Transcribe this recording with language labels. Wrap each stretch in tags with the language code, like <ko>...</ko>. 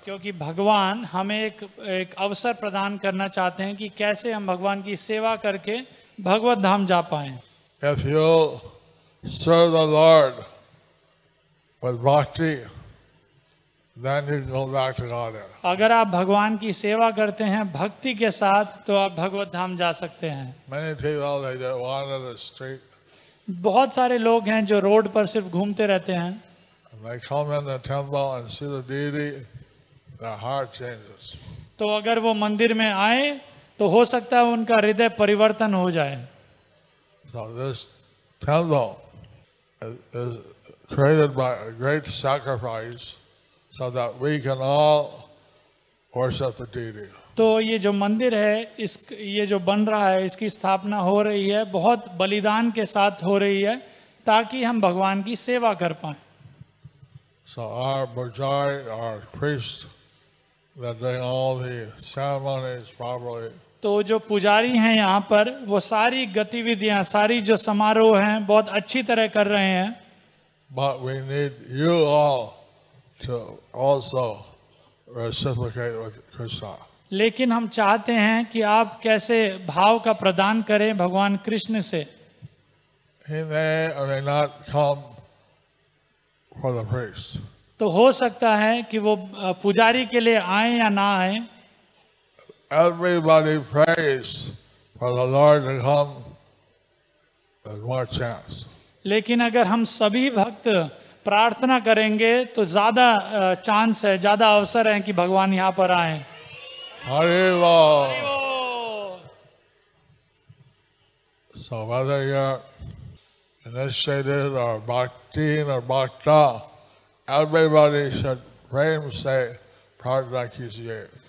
<hi>क्योंकि भगवान हमें एक अवसर प्रदान करना चाहते हैं कि कैसे हम भगवान की सेवा करके भगवत धाम जा पाएं।</hi> <en>If you serve the Lord with bhakti, then you go back to Godhead.</en> <hi>अगर आप भगवान की सेवा करते हैं भक्ति के साथ तो आप भगवत धाम जा सकते हैं</hi> <en>Many people are on the street.</en> <hi>बहुत सारे लोग हैं जो रोड पर सिर्फ घूमते रहते हैं</hi> <en>They come in the temple and see the deity, their heart changes.</en> <hi>तो अगर वो मंदिर में आए तो हो सकता है उनका हृदय परिवर्तन हो जाए.</hi> <en>So this temple is created by a great sacrifice so that we can all worship the deity.</en> <hi>तो ये जो मंदिर है इस ये जो बन रहा है इसकी स्थापना हो रही है बहुत बलिदान के साथ हो रही है ताकि हम भगवान की सेवा कर पाए.</hi> <en>So our bhajai, our priest, they're doing all the ceremonies properly.</en> <hi>तो जो पुजारी हैं यहाँ पर वो सारी गतिविधियाँ सारी जो समारोह हैं बहुत अच्छी तरह कर रहे हैं.</hi> <en>But we need you all to also reciprocate with Krishna.</en> <hi>लेकिन हम चाहते हैं कि आप कैसे भाव का प्रदान करें भगवान कृष्ण से.</hi> <en>He may or may not come for the priest.</en> <hi>तो हो सकता है कि वो पुजारी के लिए आए या ना आए.</hi> <en>Everybody prays for the Lord to come. There's more chance.</en> <hi>लेकिन अगर हम सभी भक्त प्रार्थना करेंगे तो ज्यादा चांस है ज्यादा अवसर है कि भगवान यहाँ पर आए. हरे बोल.</hi> <en>So whether you're initiated or bhaktin or bhakta, everybody should pray say</en> <hi>prarthna kijiye.</hi>